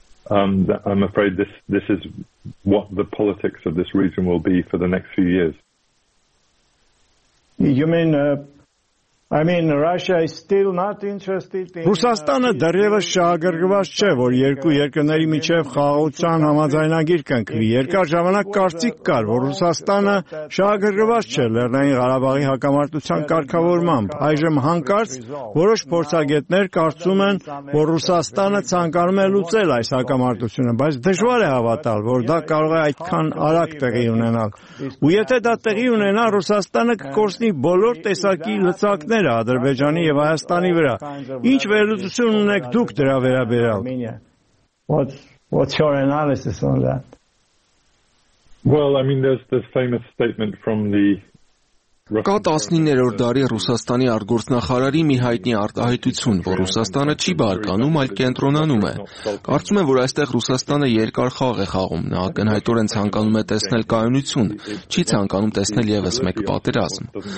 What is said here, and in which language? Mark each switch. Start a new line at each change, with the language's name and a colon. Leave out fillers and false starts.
English: I'm afraid this is what the politics of this region will be for the next few years. I mean Russia is still not interested in
Armenian: Ռուսաստանը դեռևս շահագրգված չէ, որ երկու երկրների միջև խաղաղության համաձայնագիր կնքվի։ Երկար ժամանակ կարծիք կար, որ Ռուսաստանը շահագրգված չէ Լեռնային Ղարաբաղի հակամարտության կարգավորմամբ։ Այժմ հանկարծ որոշ փորձագետներ կարծում են, որ Ռուսաստանը ցանկանում է լուծել այս հակամարտությունը, բայց դժվար է հավատալ, որ դա կարող է այդքան արագ տեղի ունենալ։ Ու եթե դա տեղի ունենա, Ռուսաստանը կկորցնի բոլոր տեսակի լծակ ները Ադրբեջանի եւ Հայաստանի վրա։ Ինչ վերլուծություն ունեք դուք դրա վերաբերյալ?
English: What's your analysis on that? Well, I mean there's this famous statement from the
Armenian: 19-րդ դարի Ռուսաստանի արտգործնախարարի մի հայտնի արտահայտություն, որ Ռուսաստանը չի բարկանում, այլ կենտրոնանում է։ Կարծում եմ, որ այստեղ Ռուսաստանը երկար խաղ է խաղում, նա ակնհայտորեն ցանկանում է տեսնել կայունություն, չի ցանկանում տեսնել եւս մեկ պատերազմ։